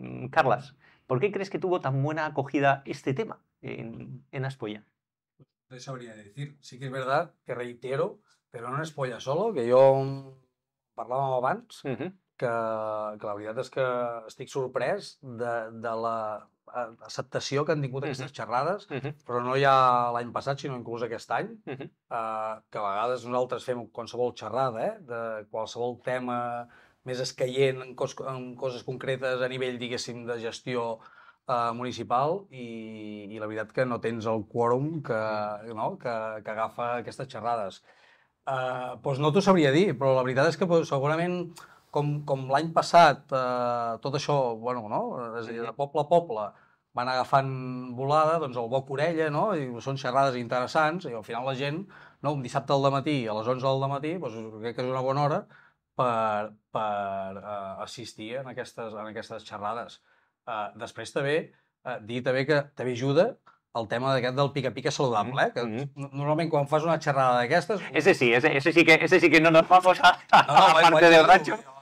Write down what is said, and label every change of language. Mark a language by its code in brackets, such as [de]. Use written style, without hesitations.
[es] Carlas, ¿por qué crees que tuvo tan buena acogida este tema en Espolla? No sabría decir. Sí que es verdad que reitero, pero no en Espolla solo, que yo hablaba abans. [ca] Que la veritat és que estic sorprès de l'acceptació que han tingut aquestes xerrades, però no ja l'any passat, sinó inclús aquest any, que a vegades nosaltres fem qualsevol xerrada, de qualsevol tema més escaient en coses concretes a nivell, diguéssim, de gestió municipal, i la veritat que no tens el quòrum que agafa aquestes xerrades. Doncs no t'ho sabria dir, però la veritat és que segurament com l'any passat, tot això, bueno, no? És a dir, de poble a poble, van agafant volada, doncs el boc orella, no? I són xerrades interessants, i al final la gent, no? Un dissabte al dematí, a les 11 del dematí, doncs crec que és una bona hora per assistir en aquestes xerrades. Després també, dir també que també ajuda el tema d'aquest del pica-pica saludable, que normalment quan fas una xerrada d'aquestes... [es] Ese sí que no nos vamos a parte del rancho.